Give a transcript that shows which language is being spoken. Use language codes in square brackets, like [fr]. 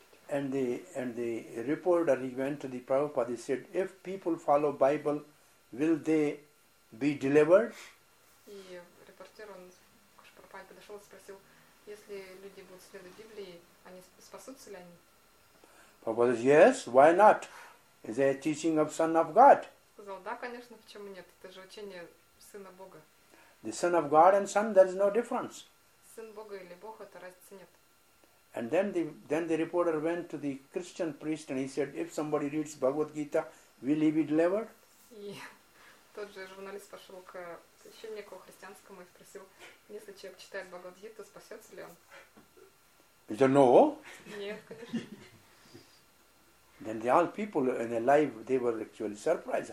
[en] And the reporter, he went to the Prabhupada, he said, if people follow Bible, will they be delivered? [ru] И репортер, он к Прабхупаде подошел и спросил, если люди будут следовать Библии, они спасутся ли они? [en] Prabhupada said, yes, why not? Is there a teaching of Son of God? [ru] Сказал, да, конечно, почему нет? Это же учение Сына Бога. [en] The Son of God and Son, there is no difference. [ru] Сын Бога или Бог, это разницы нет. [en] And then the reporter went to the Christian priest and he said, if somebody reads Bhagavad Gita, will he be delivered? [ru] Тот же журналист пошел к священнику христианскому и спросил, если человек читает Бхагавад Гиту, спасется ли он? [en] He said, no. [ru] Нет, конечно. [en] Then the all people in their life, they were actually surprised.